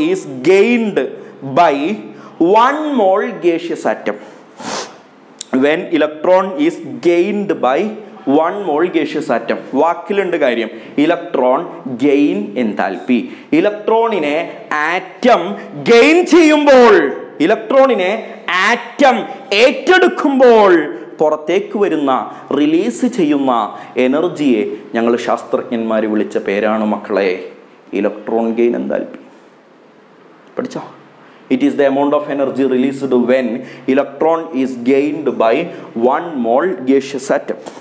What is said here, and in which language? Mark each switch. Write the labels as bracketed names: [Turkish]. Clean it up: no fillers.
[English] Electron is gained by one mole gaseous atom. When electron is gained by one mole gaseous atom, [Malayalam] വാക്കിലുണ്ട് കാര്യം, electron gain enthalpy, ഇലക്ട്രോണിനെ atom gain ചെയ്യുമ്പോൾ, ഇലക്ട്രോണിനെ atom ഏറ്റെടുക്കുമ്പോൾ പുറത്തേക്ക് വരുന്ന release ചെയ്യുന്ന എനർജിയെ ഞങ്ങൾ ശാസ്ത്രജ്ഞന്മാർ വിളിച്ച പേരാണ് മക്കളെ ഇലക്ട്രോൺ ഗെയിൻ എന്തൽപി. പഠിച്ചോ? [English] It is the amount of energy released when electron is gained by one mole gaseous atom.